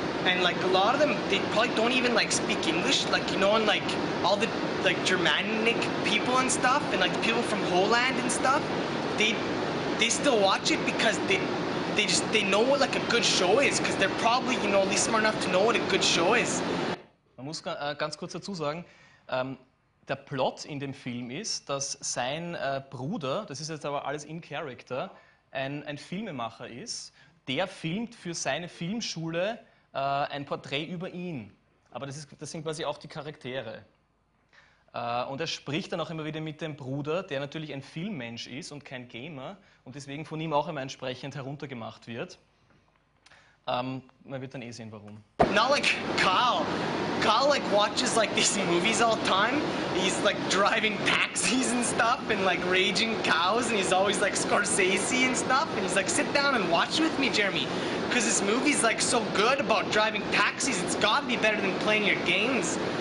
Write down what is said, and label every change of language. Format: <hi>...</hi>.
<en>And, like, a lot of them, they probably don't even, like, speak English, like, you know, and, like, all the, like, Germanic people and stuff, and, like, the people from Holland and stuff, they still watch it because they know what, like, a good show is, because they're probably, you know, at least smart enough to know what a good show is.</en> <de>Man muss ganz kurz dazu sagen, der Plot in dem Film ist, dass sein Bruder, das ist jetzt aber alles in Character, ein Filmemacher ist, der filmt für seine Filmschule ein Porträt über ihn. Aber das sind quasi auch die Charaktere. Und er spricht dann auch immer wieder mit dem Bruder, der natürlich ein Filmmensch ist und kein Gamer und deswegen von ihm auch immer entsprechend heruntergemacht wird. Man wird dann eh sehen, warum.</de> <en>Not like Kyle. Kyle like watches like these movies all the time. He's like driving taxis and stuff and like raging cows and he's always like Scorsese and stuff. And he's like, sit down and watch with me, Jeremy. Because this movie's like so good about driving taxis, it's gotta be better than playing your games.</en>